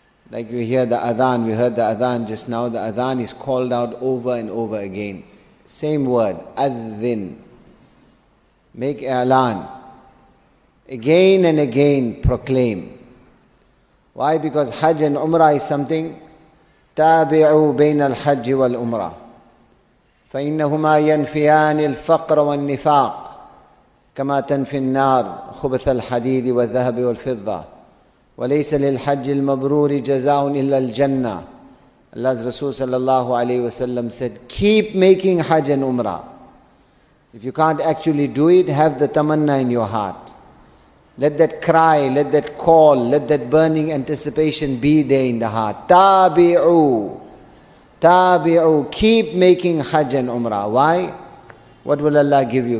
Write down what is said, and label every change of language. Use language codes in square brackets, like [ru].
[en] Like you hear the Adhan, we heard the Adhan just now, the Adhan is called out over and over again. Same word, Adhin. Make I'lan. Again and again proclaim. Why? Because Hajj and Umrah is something. [ar] تابعوا بين الحج والعمرة فإنهما ينفيان الفقر والنفاق كما تنفي النار خبث الحديد والذهب والفضة وليس للحج المبرور جزاء إلا الجنة. [en] Allah's Rasul sallallahu alayhi wa sallam said, keep making Hajj and Umrah. If you can't actually do it, have the tamanna in your heart. Let that cry, let that call, let that burning anticipation be there in the heart. Tabi'u, tabi'u, keep making Hajj and Umrah. Why? What will Allah give you?